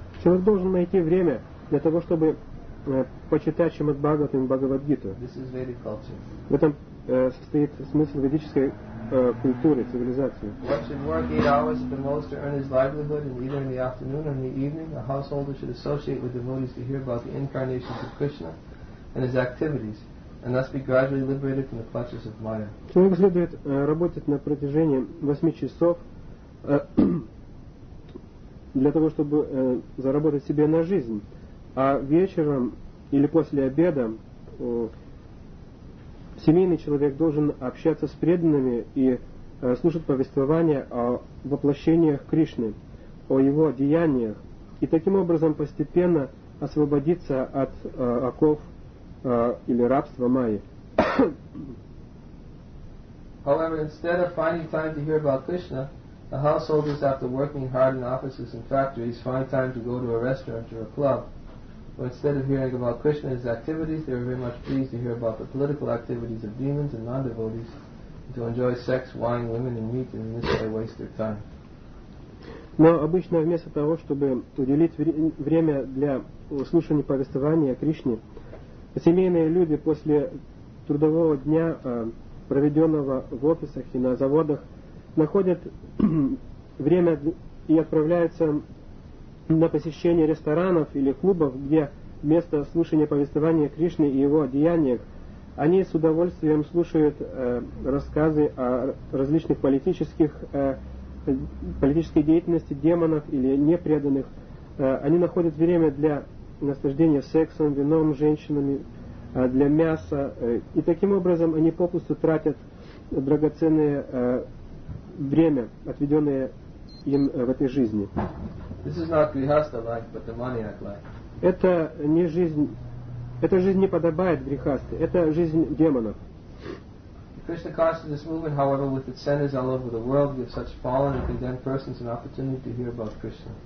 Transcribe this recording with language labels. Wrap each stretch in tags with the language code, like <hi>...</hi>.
<ru>Человек должен найти время для того, чтобы почитать Шримад-Бхагаватам и Бхагавад-гиту. В этом состоит смысл ведической культуры, цивилизации.</ru> <en>One should work 8 hours at the most to earn his livelihood, and either in the afternoon or in the evening, a householder should associate with devotees to hear about the incarnations of Krishna and his activities, and thus be gradually liberated from the clutches of Maya.</en> <ru>Человек следует работать на протяжении 8 часов для того, чтобы заработать себе на жизнь. А вечером или после обеда семейный человек должен общаться с преданными и слушать повествования о воплощениях Кришны, о его деяниях, и таким образом постепенно освободиться от оков или рабства Майи.</ru> <en>However, instead of finding time to hear about Krishna, the householders, after working hard in offices and factories, find time to go to a restaurant or a club. But instead of hearing about Krishna and his activities, they were very much pleased to hear about the political activities of demons and non-devotees, and to enjoy sex, wine, women, and meat, and in this way waste their time.</en> <ru>Но обычно вместо того, чтобы уделить время для слушания повествования о Кришне, семейные люди после трудового дня, проведенного в офисах и на заводах, находят время и отправляются на посещение ресторанов или клубов, где вместо слушания повествования Кришны и его деяниях, они с удовольствием слушают рассказы о различных политических политической деятельности демонов или непреданных, они находят время для наслаждения сексом, вином, женщинами, для мяса, и таким образом они попусту тратят драгоценное время, отведенное им в этой жизни.</ru> <en>This is not grihastha life, but demoniac life.</en> <ru>Это не жизнь, эта жизнь не подобает грехасты, это жизнь демонов.</ru> <en>Krishna consciousness movement, however, with its centers all over the world, gives such fallen and condemned persons an opportunity to hear about Krishna.</en>